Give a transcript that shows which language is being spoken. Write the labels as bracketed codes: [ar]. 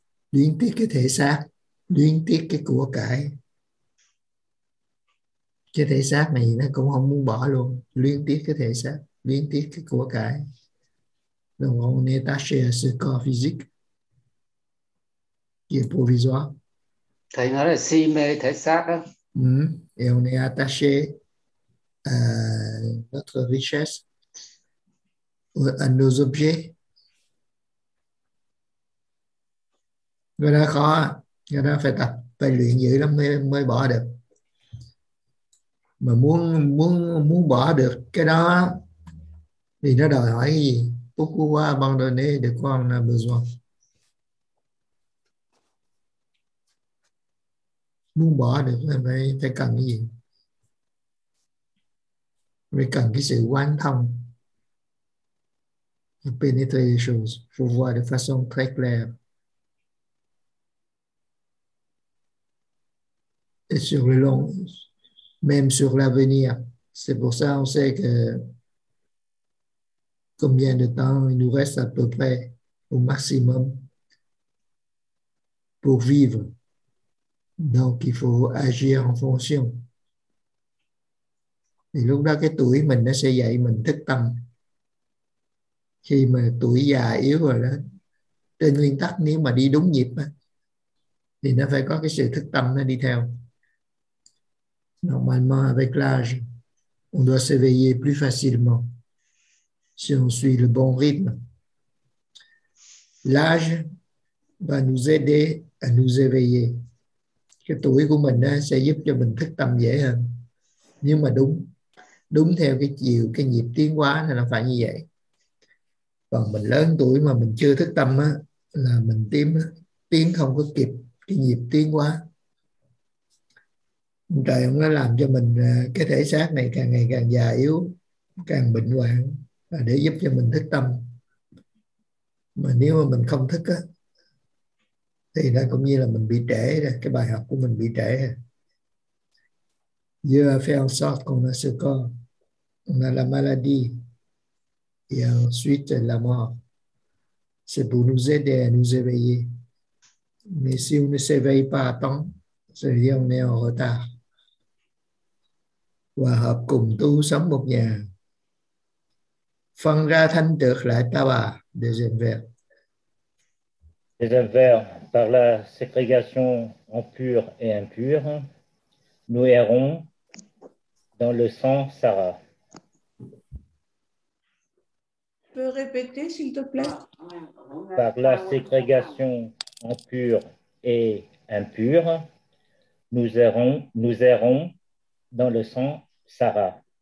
[vi] Luyến tiếc cái thể xác, luyến tiếc cái của cải. Cái thể xác này nó cũng không muốn bỏ luôn. Luyến tiếc cái thể xác, luyến tiếc cái của cải. [fr] Donc on est attaché à ce corps physique qui est provisoire. [vi] Thầy nói là si mê thể xác đó. [fr] Et on est attaché à notre richesse, à nos objets. [vi] Người đó khó, người đó phải tập, phải luyện dữ lắm mới mới bỏ được. Mà muốn muốn muốn bỏ được cái đó thì nó đòi hỏi cái gì? [fr] Pourquoi abandonner de quoi on a besoin? [vi] Muốn bỏ được là phải phải cần cái gì? Phải cần cái sự quán thông. [fr] Penetration, faut voir de façon très claire. Et sur le long, même sur l'avenir. C'est pour ça qu'on sait que combien de temps il nous reste à peu près au maximum pour vivre. Donc il faut agir en fonction. Et [vi] lúc đó cái tuổi mình nó sẽ dạy mình thức tâm. Khi mà tuổi già yếu rồi đó, trên nguyên tắc nếu mà đi đúng nhịp thì nó phải có cái sự thức tâm nó đi theo. [fr] Normalement, avec l'âge, on doit s'éveiller plus facilement si on suit le bon rythme. L'âge va nous aider à nous éveiller. [vi] Cái tuổi của mình sẽ giúp cho mình thức tâm dễ hơn. Nhưng mà đúng, đúng theo cái chiều, cái nhịp tiến hóa thì nó phải như vậy. Còn mình lớn tuổi mà mình chưa thức tâm là mình tiến không có kịp cái nhịp tiến hóa. Trời ông nó làm cho mình cái thể xác này càng ngày càng già yếu, càng bệnh hoạn để giúp cho mình thức tâm. Mà nếu mà mình không thức á, thì nó cũng như là mình bị trễ rồi, cái bài học của mình bị trễ. [fr] Dieu a fait en sorte qu'on a ce corps, on a la maladie et ensuite la mort. C'est pour nous aider à nous éveiller. Mais si on ne s'éveille pas à temps, ça veut dire qu'on est en retard. [vi] Hòa hợp cùng tu sống một nhà. Phân ra thanh được lại ta bà. [fr] Deuxième vers. Deuxième vers. Par la ségrégation en pur et impur, nous errons dans le sang Sarah. Tu peux répéter, s'il te plaît? Par la ségrégation en pur et impur, nous errons dans le sang Sarah.